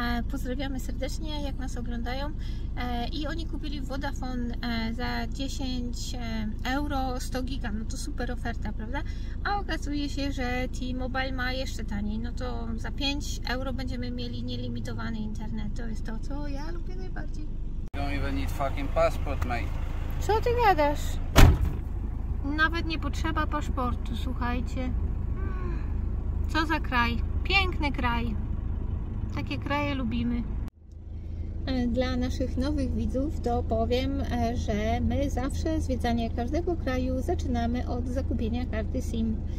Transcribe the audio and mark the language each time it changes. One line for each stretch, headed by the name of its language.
Polish: Pozdrawiamy serdecznie, jak nas oglądają. I oni kupili Vodafone za 10 euro 100 giga, no to super oferta, prawda? A okazuje się, że T-Mobile ma jeszcze taniej, no to za 5 euro będziemy mieli nielimitowany internet. To jest to, co ja lubię najbardziej.
English: Don't even need fucking passport, mate.
Polish: Co ty gadasz? Nawet nie potrzeba paszportu, słuchajcie. Co za kraj, piękny kraj. Takie kraje lubimy. Dla naszych nowych widzów to powiem, że my zawsze zwiedzanie każdego kraju zaczynamy od zakupienia karty SIM.